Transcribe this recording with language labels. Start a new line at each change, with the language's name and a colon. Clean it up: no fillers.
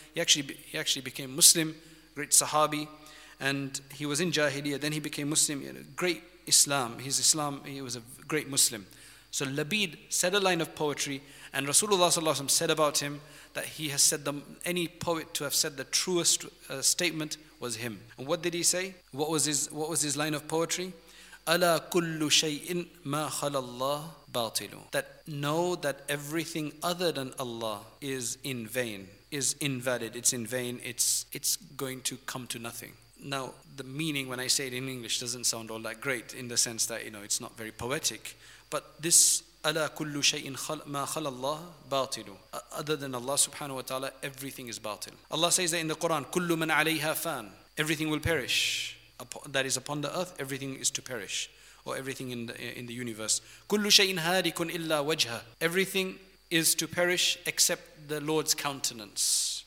English: He actually became Muslim, great Sahabi, and he was in Jahiliyyah, then he became Muslim, great Islam. He was a great Muslim. So Labid said a line of poetry, and Rasulullah ﷺ said about him that he has said any poet to have said the truest statement was him. And what did he say? What was his line of poetry?
Arabic: ألا كل شيء ما خلا الله باطل.
English: That know that everything other than Allah is in vain, is invalid, it's in vain, it's going to come to nothing. Now, the meaning when I say it in English doesn't sound all that great in the sense that, you know, it's not very poetic.
Arabic: But this, أَلَا كُلُّ شَيْءٍ مَا خَلَى اللَّهِ بَاطِلُ.
English: Other than Allah subhanahu wa ta'ala, everything is batil. Allah says that in the Quran, كُلُّ مَنْ عَلَيْهَا فَان. Everything will perish. That is upon the earth, everything is to perish. Or everything in the universe. كُلُّ شَيْءٍ هَارِكٌ إِلَّا وَجْهَهُ. Everything is to perish except the Lord's countenance.